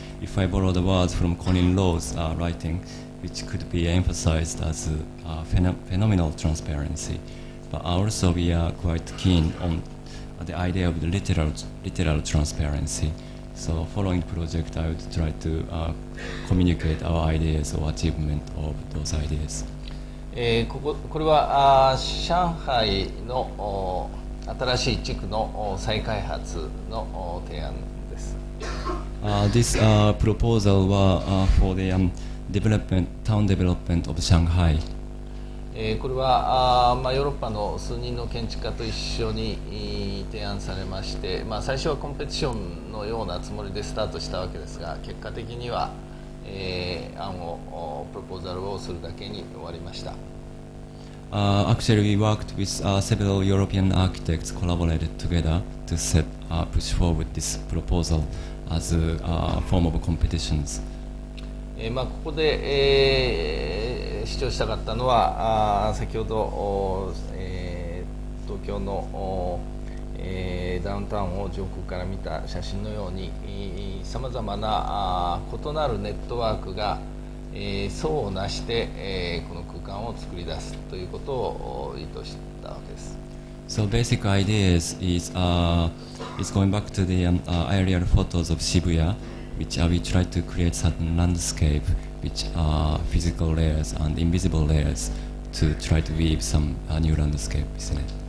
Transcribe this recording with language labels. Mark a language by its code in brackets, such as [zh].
[en] If I borrow the words from Colin Lowe's writing, which could be emphasized as phenomenal transparency. But also we are quite keen on the idea of the literal transparency. So, following project, I would try to communicate our ideas or achievement of those ideas. [ja] これは上海の新しい地区の再開発の提案です。 [en] This proposal was for the development, town development of Shanghai. [ja] これはまあヨーロッパの数人の建築家と一緒に提案されまして、まあ最初はコンペティションのようなつもりでスタートしたわけですが、結果的には、案をプロポーザルをするだけに終わりました。 [en] Actually, we worked with several European architects, collaborated together to set push forward this proposal as a form of competitions. [ja] まあここで、主張したかったのは、先ほど、東京のダウンタウンを上空から見た写真のように、さまざまな異なるネットワークが層をなして、この空間を作り出すということを意図したわけです。 [en] So basic ideas is going back to the aerial photos of Shibuya, which we try to create certain landscape, which are physical layers and invisible layers to try to weave some new landscape, isn't it?